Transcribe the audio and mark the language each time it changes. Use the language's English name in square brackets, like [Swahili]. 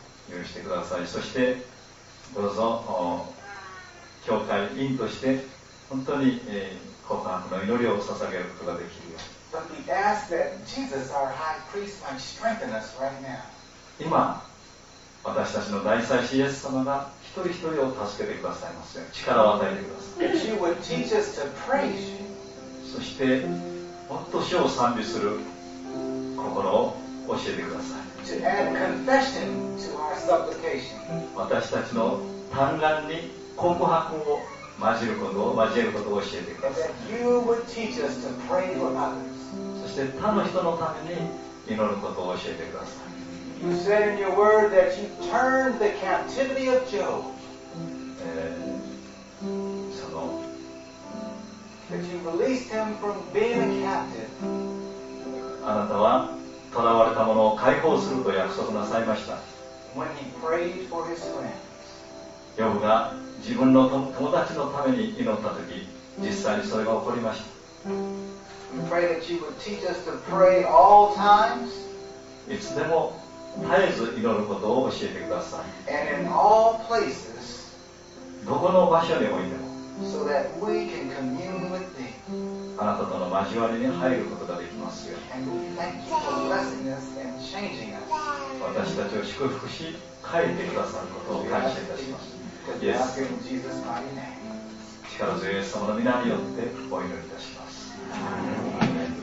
[Japanese] 許してください。そしてどうぞ教会員として本当に、告白の祈りを捧げることができるよ。 [English] But we ask that Jesus, our high priest, might strengthen us right now. [Japanese] 今、私たちの大祭司イエス様が一人一人を助けてくださいますよ。力を与えてください。 [English] She would teach us to praise you. [Japanese] そして、もっと主を賛美する心を教えてください。 [English] To add confession to our supplication. [Japanese] 私たちの嘆願に告白を交えることを教えてください。 [English] And that you would teach us to pray for others. [Japanese] そして他の人のために祈ることを教えてください。 [English] You said in your word that you turned the captivity of Job. [Japanese] その [English] That you released him from being a captive. [Japanese] あなたは囚われた者を解放すると約束なさいました。 [English] When he prayed for his friends. [Japanese] ヨブが自分の友達のために祈ったとき、実際にそれが起こりました。 [English] We pray that you would teach us to pray all times. [Japanese] いつでも絶えず祈ることを教えてください。 [English] And in all places. [Japanese] どこの場所でもいいでも。 [English] So that we can commune with thee. [Japanese] あなたとの交わりに入ることができますよ。 [English] And we thank you for blessing us and changing us. [Japanese] 私たちを祝福し、変えてくださることを感謝いたします。イエス力強いイエス様の皆によってお祈りいたします。